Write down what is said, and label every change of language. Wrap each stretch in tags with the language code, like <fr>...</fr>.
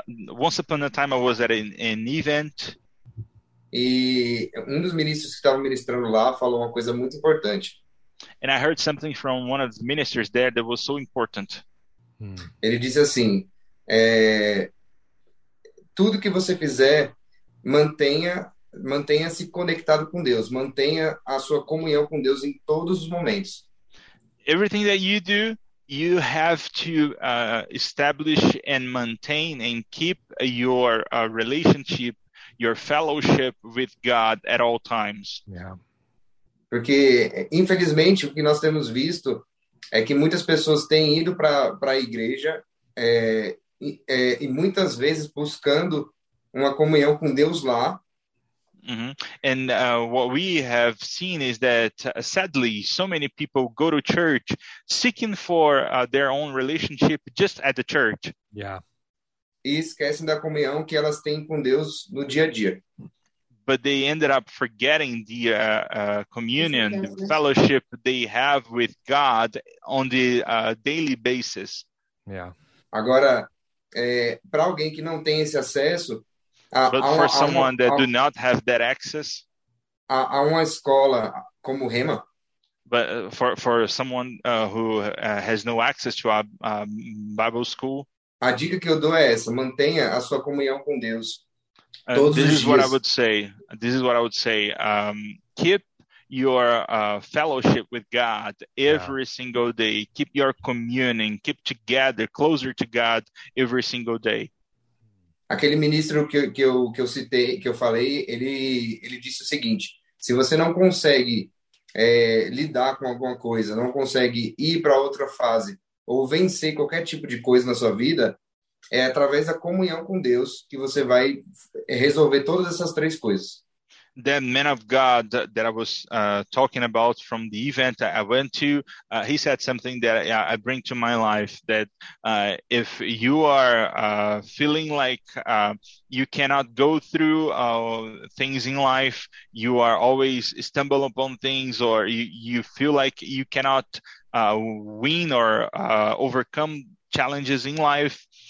<en>Once upon a time I was at an event.</en> <pt>E um dos ministros que estava ministrando lá falou uma coisa muito importante.</pt> <en>And I heard something from one of the ministers there that was so important.</en> <pt>Ele disse assim: tudo que você fizer, mantenha-se conectado com Deus, mantenha a sua comunhão com Deus em todos os momentos.</pt> <en>Everything that you do, you have to establish and maintain and keep your relationship, your fellowship with God at all times.</en> <pt>Porque, infelizmente, o que nós temos visto é que muitas pessoas têm ido para a igreja e muitas vezes buscando uma comunhão com Deus lá.</pt> <en>And what we have seen is that sadly, so many people go to church seeking for their own relationship just at the church.</en> <pt>E esquecem da comunhão que elas têm com Deus no dia a dia.</pt> <en>But they ended up forgetting the communion, the fellowship they have with God on the daily basis.</en> <pt>Agora, para alguém que não tem esse acesso</pt> <en>But for someone that do not have that access,</en> <pt>a uma escola como Rema,</pt> <en>but for someone who has no access to a Bible school,</en> <pt>a dica que eu dou é essa: mantenha a sua comunhão com Deus todos</pt> <en>this</en> <pt>os</pt> <en>is what I</en> <pt>dias.</pt> <en>would say. This is what I would say. Keep your fellowship with God every single day. Keep your communion. Keep together, closer to God every single day.</en> <pt>Aquele ministro que eu citei, que eu falei, ele disse o seguinte: se você não consegue lidar com alguma coisa, não consegue ir para outra fase ou vencer qualquer tipo de coisa na sua vida, é através da comunhão com Deus que você vai resolver todas essas três coisas.</pt> <en>That man of God that I was talking about from the event I went to, he said something that I bring to my life, that if you are feeling like you cannot go through things in life, you are always stumble upon things, or you feel like you cannot win or overcome challenges in life.</en>